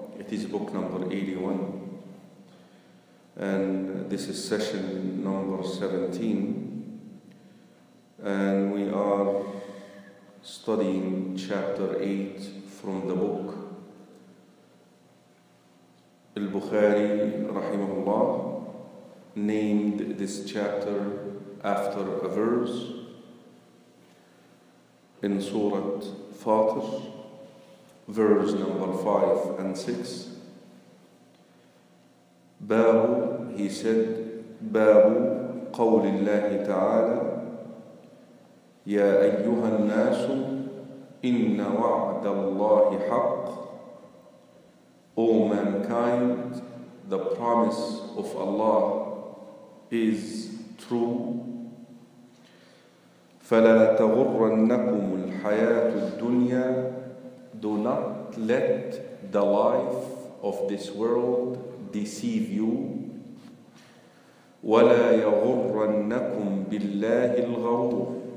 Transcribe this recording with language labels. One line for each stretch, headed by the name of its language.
English: It is book number 81 and this is session number 17 and we are studying chapter 8 from the book
Arabic: البخاري رحمه الله.
English: Named this chapter after a verse in Surah Fatir, verse number 5 and 6.
Arabic: Babu,
English: he said,
Arabic: Babu قول الله تعالى يا أيها الناس إن وعد الله حق.
English: O mankind, the promise of Allah is true.
Arabic: فلا تغرنكم الحياة الدنيا.
English: Do not let the life of this world deceive you.
Arabic: ولا يغرنكم بالله الغرور.